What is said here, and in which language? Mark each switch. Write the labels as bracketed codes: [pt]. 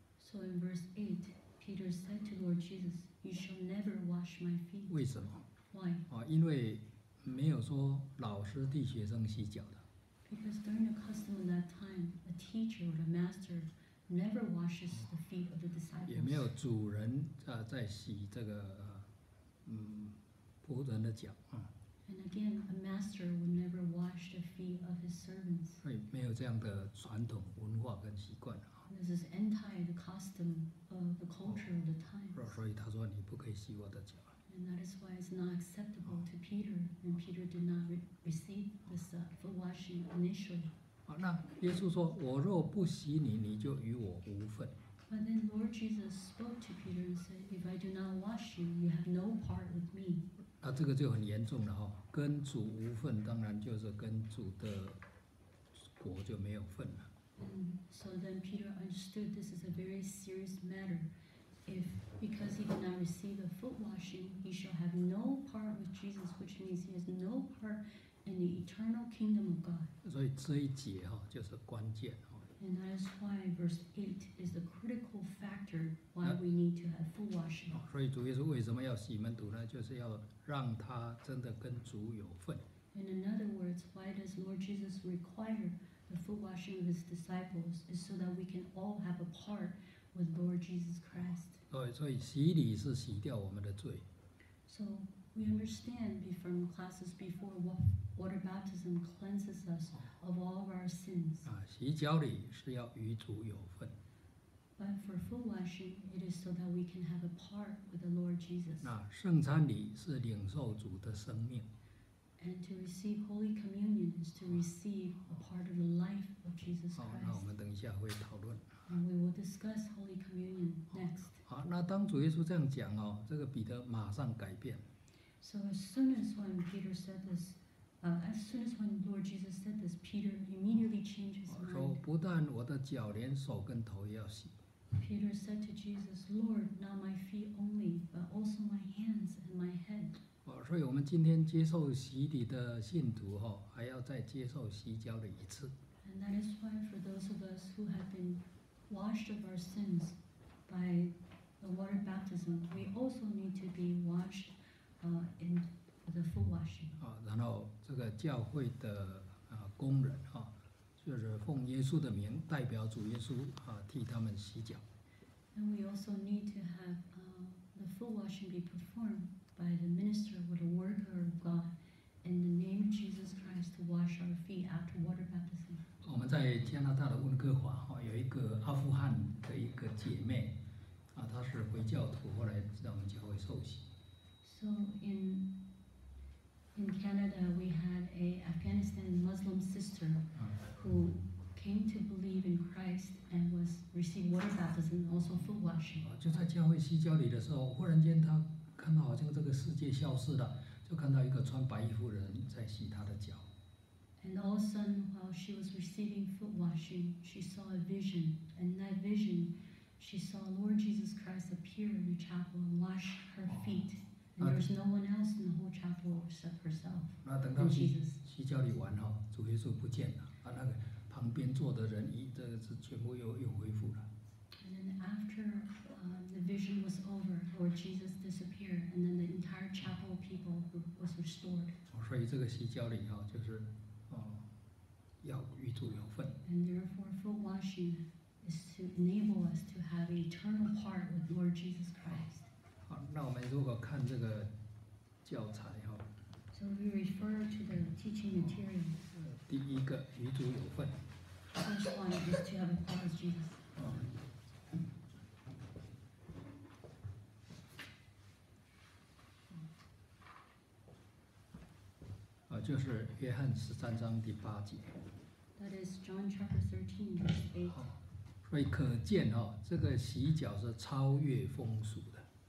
[en] So in verse 8, Peter said to Lord Jesus, you shall never wash my feet. [zh] 为什么？ [en] Why? [zh] 因为没有说老师替学生洗脚的。 [en] Because during the custom of that time, a teacher or a master never washes the feet of the disciples. [zh] 也没有主人在洗这个仆人的脚。 [en] And again, a master would never wash the feet of his servants. [zh] 没有这样的传统文化跟习惯。 [en] This is anti the custom of the culture. [zh] 所以他说你不可以洗我的脚。 [en] And that is why it's not acceptable to Peter, and Peter did not receive this foot washing initially. [zh] 好，那耶稣说，我若不洗你，你就与我无份。 [en] But then Lord Jesus spoke to Peter and said, if I do not wash you, you have no part with me. [zh] 那这个就很严重了哈，跟主无份，当然就是跟主的国就没有份了。 [en] So then Peter understood this is a very serious matter. If because he did not receive a foot washing, he shall have no part with Jesus, which means he has no part in the eternal kingdom of God. [zh] 所以这一节就是关键。 [en] And that is why verse 8 is the critical factor why we need to have foot washing. [zh] 所以主耶稣为什么要洗门徒呢？就是要让他真的跟主有份。 [en] And in other words, why does Lord Jesus require the foot washing of his disciples is so that we can all have a part with Lord Jesus Christ. [zh] 所以洗礼是洗掉我们的罪。 [en] So we understand from classes before what water baptism cleanses us of all of our sins. [zh] 洗脚礼是要与主有份。 [en] But for foot washing, it is so that we can have a part with the Lord Jesus. [zh] 圣餐礼是领受主的生命。 [en] And to receive Holy Communion is to receive a part of the life of Jesus Christ. [zh] 那我们等一下会讨论。 [en] And we will discuss Holy Communion next. [zh] 那当主耶稣这样讲哦，这个彼得马上改变。 [en] So as soon as when Peter said this, as soon as when Lord Jesus said this, Peter immediately changed his mind. [zh] 说不但我的脚，连手跟头也要洗。 [en] Peter said to Jesus, Lord, not my feet only, but also my hands and my head. [zh] 所以我们今天接受洗礼的信徒还要再接受洗脚的一次。 [en] And that is why for those of us who have been washed of our sins by the water baptism, we also need to be washed in the foot washing. [zh] 然后这个教会的工人就是奉耶稣的名代表主耶稣替他们洗脚。 [en] And we also need to have the foot washing be performed. By the minister or the worker of God, in the name of Jesus Christ, to wash our feet after water baptism. [zh] 我们在加拿大的温哥华有一个阿富汗的一个姐妹，她是回教徒，后来在我们教会受洗。 [en] So in Canada, we had a Afghanistan Muslim sister who came to believe in Christ and was received water baptism and also foot washing. [zh] 就在教会洗脚礼的时候，忽然间她。看到好像这个世界消失了，就看到一个穿白衣服的人在洗他的脚。 [en] And all of a sudden, while she was receiving foot washing, she saw a vision. And that vision, she saw Lord Jesus Christ appear in the chapel and wash her feet. And there was no one else in the whole chapel except herself. [zh] 那等到洗脚礼完主耶稣不见了，那个旁边坐的人这个是全部又恢复了。 [en] And then after the vision was over, Lord Jesus disappeared, and then the entire chapel people was restored. [zh] 所以这个洗脚礼就是要与主有份。 [en] And therefore, foot washing is to enable us to have an eternal part with Lord Jesus Christ. [zh] 好，那我们如果看这个教材 [en] So we refer to the teaching material. [zh] 第一个与主有份。 [en] First one is to have a part with Jesus. [zh] 就是约翰十三章第八节。 [en] That is John chapter 13, verse 8. [zh] 所以可见这个洗脚是超越风俗的。